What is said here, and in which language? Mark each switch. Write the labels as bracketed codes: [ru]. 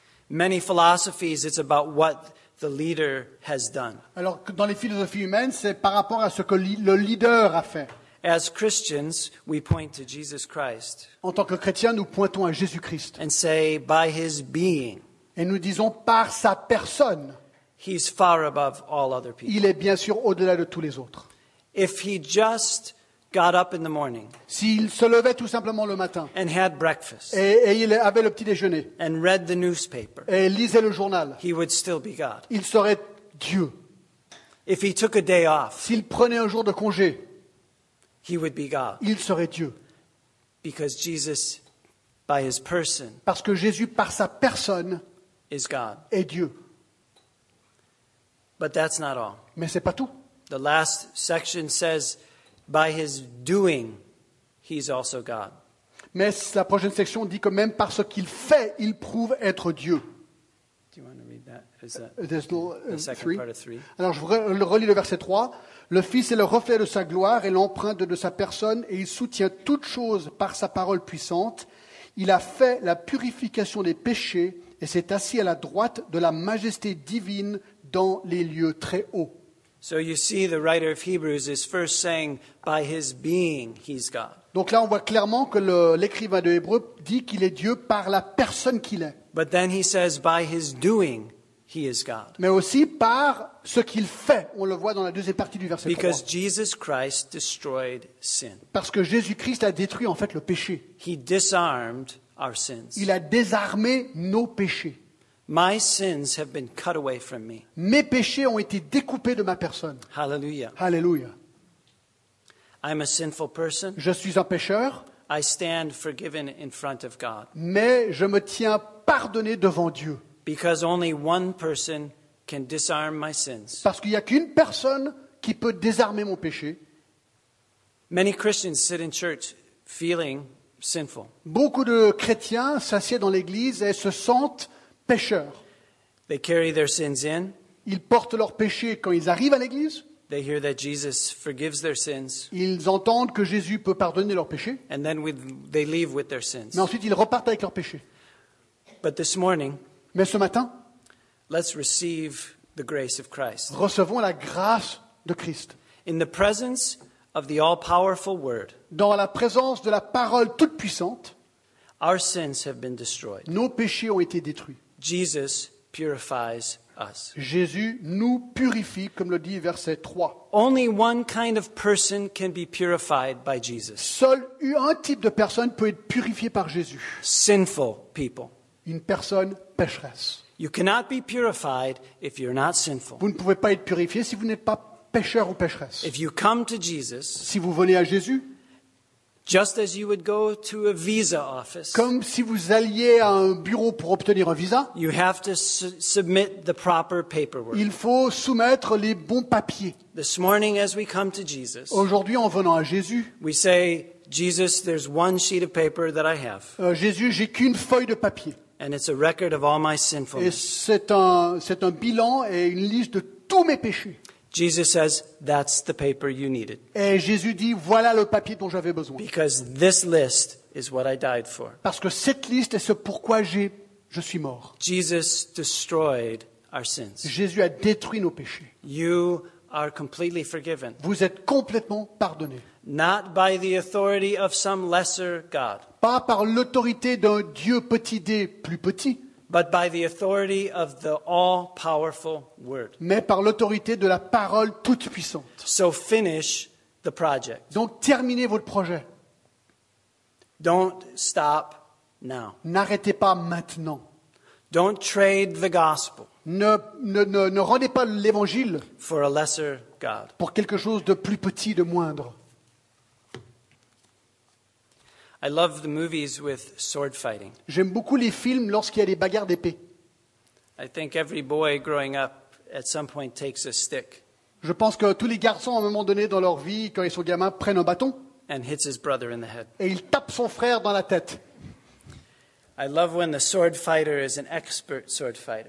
[en] Many philosophies, it's about what the leader has done. [fr] Alors, dans les philosophies humaines, c'est par rapport à ce que le leader a fait. [en] As Christians, we point to Jesus Christ. [fr] En tant que chrétiens, nous pointons à Jésus-Christ. [en] And say, by his being. [fr] Et nous disons, par sa personne. [en] He's far above all other people. [fr] Il est bien sûr au-delà de tous les autres. [en] If he just got up in the morning. [fr] S'il se levait tout simplement le matin. [en] And had breakfast. [fr] Et il avait le petit déjeuner. [en] And read the newspaper. [fr] Et lisait le journal. [en] He would still be God. [fr] Il serait Dieu. [en] If he took a day off. [fr] S'il prenait un jour de congé. [en] He would be God. [fr] Il serait Dieu. [en] Because Jesus, by his person. [fr] Parce que Jésus, par sa personne. [en] Is God. [fr] Est Dieu. [en] But that's not all. [fr] Mais c'est pas tout. [en] The last section says. By his doing, he's also God. [fr] Mais la prochaine section dit que même par ce qu'il fait, il prouve être Dieu. [en] Do you want to read that? Is that the second part of three? [fr] Alors je relis le verset 3. Le Fils est le reflet de sa gloire et l'empreinte de sa personne, et il soutient toute chose par sa parole puissante. Il a fait la purification des péchés et s'est assis à la droite de la majesté divine dans les lieux très hauts. [en] So you see the writer of Hebrews is first saying by his being he's God. [fr] Donc là on voit clairement que l'écrivain de Hébreux dit qu'il est Dieu par la personne qu'il est. [en] But then he says by his doing he is God. [fr] Mais aussi par ce qu'il fait, on le voit dans la deuxième partie du verset 3. [en] Because Jesus Christ destroyed sin. [fr] Parce que Jésus-Christ a détruit en fait le péché. [en] He disarmed our sins. [fr] Il a désarmé nos péchés. [en] My sins have been cut away from me. [fr] Mes péchés ont été découpés de ma personne. [en] Hallelujah. [fr] Hallelujah. [en] I'm a sinful person. [fr] Je suis un pécheur. [en] I stand forgiven in front of God. [fr] Mais je me tiens pardonné devant Dieu. [en] Because only one person can disarm my sins. [fr] Parce qu'il n'y a qu'une personne qui qui peut désarmer mon péché. [en] Many Christians sit in church feeling sinful. [fr] Beaucoup de chrétiens s'assiedent dans l'église et se sentent pécheurs. [en] They carry their sins in. [fr] Ils portent leurs péchés quand ils arrivent à l'église. [en] They hear that Jesus forgives their sins. [fr] Ils entendent que Jésus peut pardonner leurs péchés. [en] And then they leave with their sins. [fr] Mais ensuite, ils repartent avec leurs péchés. [en] But this morning, [fr] mais ce matin, [en] let's receive the grace of Christ. [fr] Recevons la grâce de Christ. [en] In the presence of the all-powerful Word, [fr] dans la présence de la parole toute-puissante, [en] our sins have been destroyed. [fr] Nos péchés ont été détruits. [en] Jesus purifies us. [fr] Jésus nous purifie, comme le dit verset 3. [en] Only one kind of person can be purified by Jesus. [fr] Seul un type de personne peut être purifié par Jésus. [en] Sinful people. [fr] Une personne pécheresse. [en] You cannot be purified if you're not sinful. [fr] Vous ne pouvez pas être purifié si vous n'êtes pas pécheur ou pécheresse. [en] If you come to Jesus, [fr] si vous venez à Jésus, [en] just as you would go to a visa office, [fr] comme si vous alliez à un bureau pour obtenir un visa, [en] you have to submit the proper paperwork. [fr] Il faut soumettre les bons papiers. [en] This morning, as we come to Jesus, [fr] aujourd'hui, en venant à Jésus, [en] we say, Jesus, there's one sheet of paper that I have. [fr] Jésus, j'ai qu'une feuille de papier. [en] And it's a record of all my sinfulness. [fr] Et c'est un bilan et une liste de tous mes péchés. [en] Jesus says, "That's the paper you needed." [fr] Et Jésus dit, voilà le papier dont j'avais besoin. [en] Because this list is what I died for. [fr] Parce que cette liste est ce pourquoi je suis mort. [en] Jesus destroyed our sins. [fr] Jésus a détruit nos péchés. [en] You are completely forgiven. [fr] Vous êtes complètement pardonné. [en] Not by the authority of some lesser god. [fr] Pas par l'autorité d'un Dieu petit d, plus petit. [en] But by the authority of the all-powerful word. [fr] Mais par l'autorité de la parole toute-puissante. [en] So finish the project. [fr] Donc terminez votre projet. [en] Don't stop now. [fr] N'arrêtez pas maintenant. [en] Don't trade the gospel. [fr] Ne rendez pas l'évangile [en] for a lesser god. [fr] Pour quelque chose de plus petit, de moindre. [en] I love the movies with sword fighting. [fr] J'aime beaucoup les films lorsqu'il y a des bagarres d'épée. [en] I think every boy growing up at some point takes a stick. [fr] Je pense que tous les garçons à un moment donné dans leur vie quand ils sont gamins prennent un bâton [en] and hits his brother in the head. [fr] Et il tape son frère dans la tête. [en] I love when the sword fighter is an expert sword fighter.